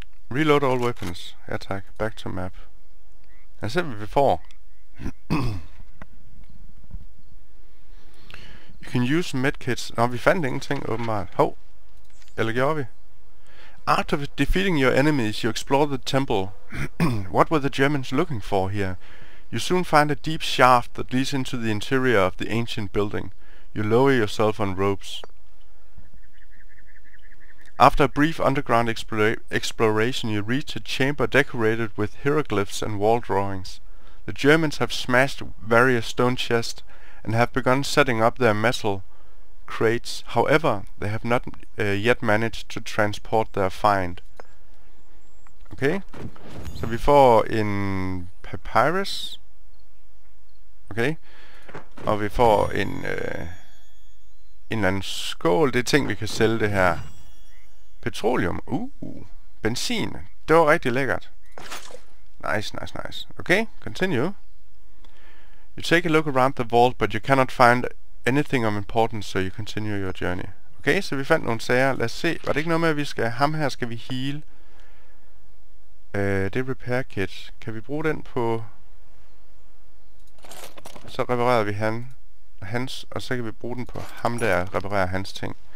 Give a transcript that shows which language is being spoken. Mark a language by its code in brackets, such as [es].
[en] Reload all weapons. [da] Ja tak. [en] Back to map. [da] Lad os se, hvad vi får. [en] You can use medkits. [da] Nå, vi fandt ingenting, åbenbart. Hov. Eller gjorde vi? [en] After defeating your enemies, you explore the temple. What were the Germans looking for here? You soon find a deep shaft that leads into the interior of the ancient building. You lower yourself on ropes. After a brief underground exploration, you reach a chamber decorated with hieroglyphs and wall drawings. The Germans have smashed various stone chests and have begun setting up their metal crates. However, they have not yet managed to transport their find. [da] Okay, så vi får en papyrus. Okay, og vi får en en eller anden skål. Det er ting, vi kan sælge det her. Petroleum. Benzin. Det var rigtig lækkert. Nice. Okay, continue. [en] You take a look around the vault, but you cannot find anything of importance, so you continue your journey. [da] Okay, så vi fandt nogle sager. Lad os se. Var det ikke noget med, at vi skal... Ham her skal vi heal. Det er repair kit. Kan vi bruge den på... Så reparerer vi hans, og så kan vi bruge den på ham der og reparerer hans ting.